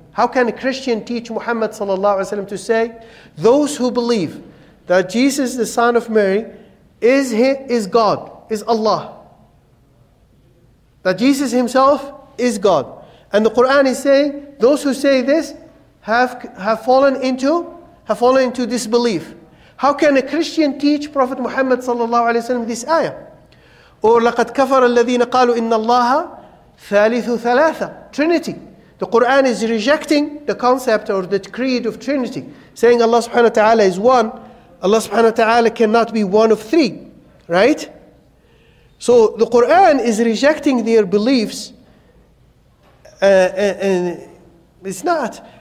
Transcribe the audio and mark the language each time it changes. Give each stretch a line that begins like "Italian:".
English: How can a Christian teach Muhammad sallallahu alaihi wasallam to say, those who believe that Jesus, the son of Mary, is God, is Allah, that Jesus himself is God. And the Quran is saying, those who say this have fallen into disbelief. How can a Christian teach Prophet Muhammad sallallahu alaihi wasallam this ayah?
Arabic: Or لَقَدْ كَفَرَ الَّذِينَ قَالُوا إِنَّ اللَّهَ ثَالِثُ ثَلَاثَةٌ, Trinity.
English: The Quran is rejecting the concept or the creed of Trinity, saying Allah subhanahu wa ta'ala is one. Allah subhanahu wa ta'ala cannot be one of three, right? So the Quran is rejecting their beliefs, and it's not.